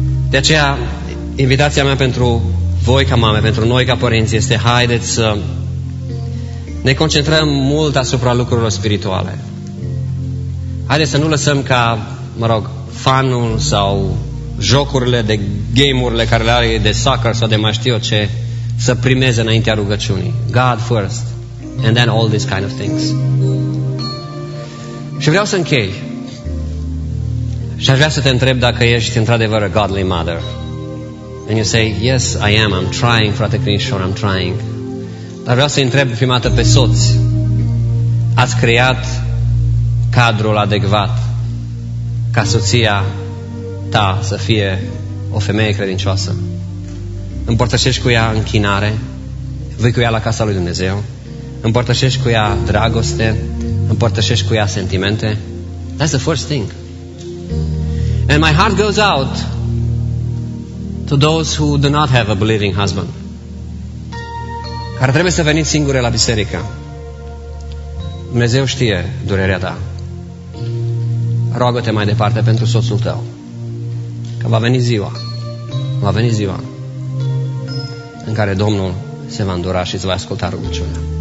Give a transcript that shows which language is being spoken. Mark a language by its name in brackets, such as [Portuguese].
[Romanian] De aceea, invitația mea pentru voi ca mame, pentru noi ca părinți, este haideți să ne concentrăm mult asupra lucrurilor spirituale. Haideți să nu lăsăm ca, mă rog, fanul sau jocurile de game-urile care le are de soccer sau de mai știu ce, să primeze înaintea rugăciunii. [English] God first, and then all these kind of things. [Romanian] Și vreau să închei. Și aș vrea să te întreb dacă ești într-adevăr [English] a godly mother. And you say, yes, I am, I'm trying, frate Crinișor, I'm trying. [Romanian] Dar vreau să-i întreb prima dată pe soți. ați creat cadrul adecvat ca soția ta să fie o femeie credincioasă. Împărtășești cu ea închinare, vei cu ea la casa lui Dumnezeu, împărtășești cu ea dragoste, împărtășești cu ea sentimente. [English] That's the first thing. And my heart goes out to those who do not have a believing husband. [Romanian] Care trebuie să veniți singure la biserică. Dumnezeu știe durerea ta. Roagă-te mai departe pentru soțul tău. Că va veni ziua. Va veni ziua în care Domnul se va îndura și îți va asculta rugăciunea.